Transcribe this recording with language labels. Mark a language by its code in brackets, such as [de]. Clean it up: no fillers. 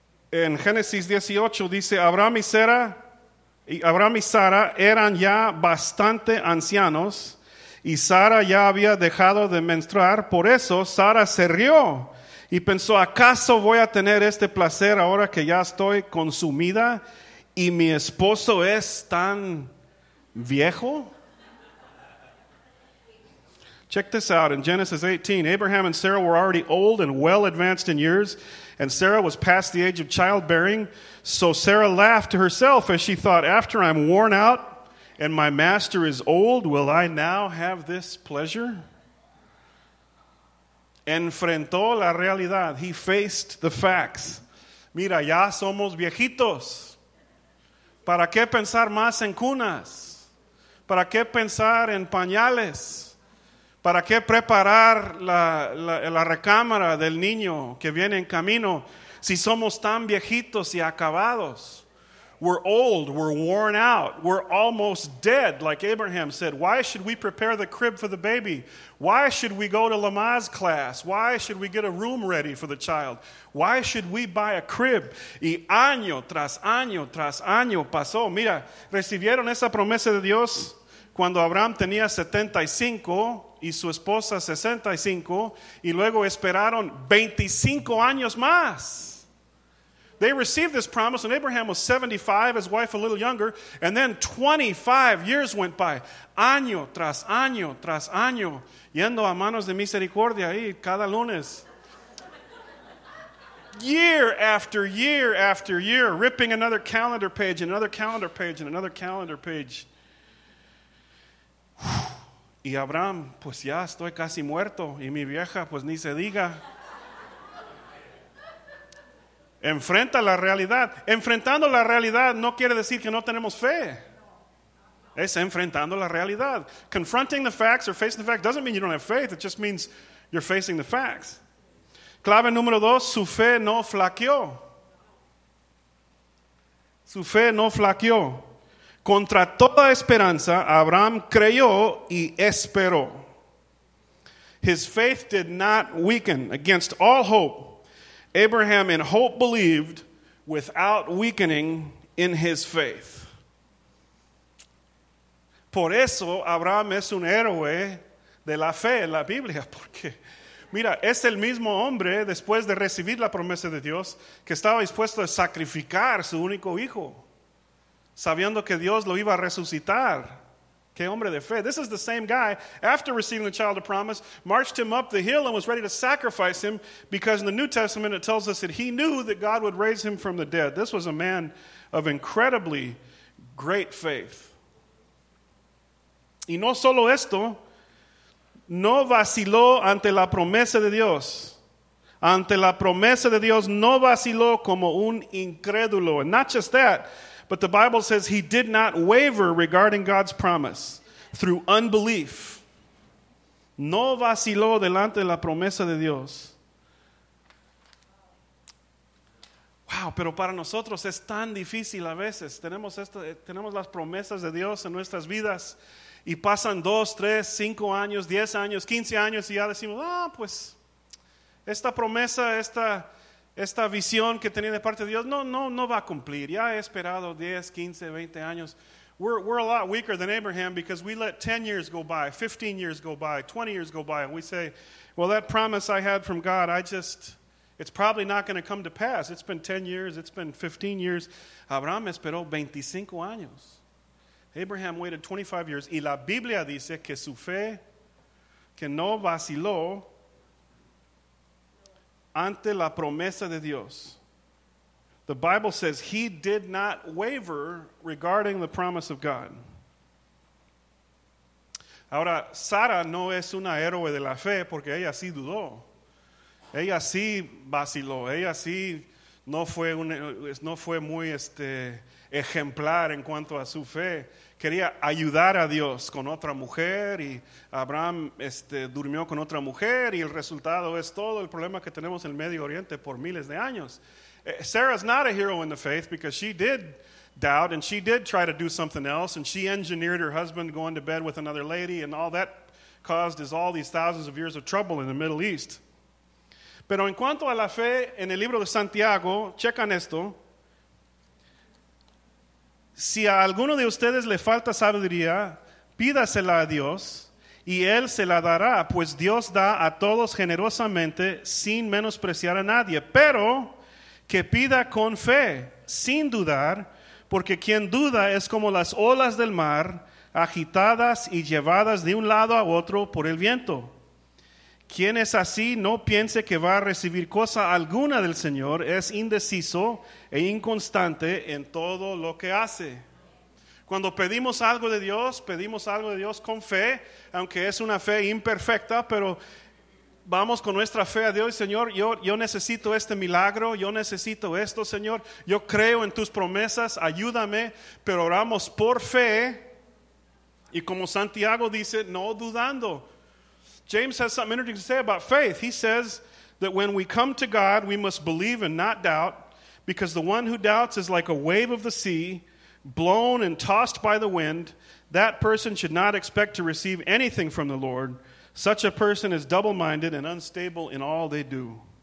[es] En Génesis 18 dice, Abraham y Sara eran ya bastante ancianos, y Sara ya había dejado de menstruar. Por eso Sara se rió y pensó, ¿acaso voy a tener este placer ahora que ya estoy consumida y mi esposo es tan viejo? [en] Check this out. In Genesis 18, Abraham and Sarah were already old and well advanced in years, and Sarah was past the age of childbearing. So Sarah laughed to herself as she thought, "After I'm worn out and my master is old, will I now have this pleasure?" [es] Enfrentó la realidad. [en] He faced the facts. [es] Mira, ya somos viejitos. ¿Para qué pensar más en cunas? ¿Para qué pensar en pañales? ¿Para qué preparar la recámara del niño que viene en camino si somos tan viejitos y acabados? [en] We're old, we're worn out, we're almost dead, like Abraham said. Why should we prepare the crib for the baby? Why should we go to Lamaze class? Why should we get a room ready for the child? Why should we buy a crib? [es] Y año tras año tras año pasó. Mira, recibieron esa promesa de Dios cuando Abraham tenía 75 y su esposa 65, y luego esperaron 25 años más. [en] They received this promise when Abraham was 75, his wife a little younger, and then 25 years went by, [es] año tras año tras año, yendo a manos de misericordia ahí cada lunes. [en] Year after year after year, ripping another calendar page and another calendar page and another calendar page. [es] Y Abraham, pues ya estoy casi muerto, y mi vieja, pues ni se diga. Enfrenta la realidad. Enfrentando la realidad no quiere decir que no tenemos fe. Es enfrentando la realidad. [en] Confronting the facts or facing the facts doesn't mean you don't have faith. It just means you're facing the facts. [es] Clave número dos, su fe no flaqueó. Su fe no flaqueó. Contra toda esperanza, Abraham creyó y esperó. [en] His faith did not weaken. Against all hope, Abraham in hope believed without weakening in his faith. [es] Por eso Abraham es un héroe de la fe en la Biblia. Porque, mira, es el mismo hombre después de recibir la promesa de Dios que estaba dispuesto a sacrificar su único hijo, sabiendo que Dios lo iba a resucitar. Qué hombre de fe. [en] This is the same guy, after receiving the child of promise, marched him up the hill and was ready to sacrifice him, because in the New Testament it tells us that he knew that God would raise him from the dead. This was a man of incredibly great faith. [es] Y no solo esto, no vaciló ante la promesa de Dios. Ante la promesa de Dios, no vaciló como un incrédulo. [en] And not just that, but the Bible says he did not waver regarding God's promise through unbelief. [es] No vaciló delante de la promesa de Dios. Wow, pero para nosotros es tan difícil a veces. Tenemos esto, tenemos las promesas de Dios en nuestras vidas y pasan 2, 3, 5 años, 10 años, 15 años, y ya decimos, ah, pues esta promesa, esta visión que tenía de parte de Dios, no va a cumplir. Ya he esperado 10, 15, 20 años. [en] We're a lot weaker than Abraham because we let 10 years go by, 15 years go by, 20 years go by, and we say, well, that promise I had from God, it's probably not going to come to pass. It's been 10 years, it's been 15 years. [es] Abraham esperó 25 años. [en] Abraham waited 25 years. [es] Y la Biblia dice que su fe, que no vaciló ante la promesa de Dios. [en] The Bible says he did not waver regarding the promise of God. [es] Ahora, Sara no es una héroe de la fe porque ella sí dudó. Ella sí vaciló. Ella sí no fue muy ejemplar en cuanto a su fe. Quería ayudar a Dios con otra mujer, y Abraham durmió con otra mujer, y el resultado es todo el problema que tenemos en el Medio Oriente por miles de años. [en] Sarah's not a hero in the faith because she did doubt and she did try to do something else, and she engineered her husband going to bed with another lady, and all that caused is all these thousands of years of trouble in the Middle East. [es] Pero en cuanto a la fe, en el libro de Santiago, checan esto. Si a alguno de ustedes le falta sabiduría, pídasela a Dios y Él se la dará, pues Dios da a todos generosamente sin menospreciar a nadie, pero que pida con fe, sin dudar, porque quien duda es como las olas del mar, agitadas y llevadas de un lado a otro por el viento. Quien es así, no piense que va a recibir cosa alguna del Señor, es indeciso e inconstante en todo lo que hace. Cuando pedimos algo de Dios con fe, aunque es una fe imperfecta, pero vamos con nuestra fe a Dios. Señor, yo necesito este milagro, yo necesito esto, Señor, yo creo en tus promesas, ayúdame, pero oramos por fe, y como Santiago dice, no dudando. [en] James has something interesting to say about faith. He says that when we come to God, we must believe and not doubt, because the one who doubts is like a wave of the sea, blown and tossed by the wind. That person should not expect to receive anything from the Lord. Such a person is double-minded and unstable in all they do.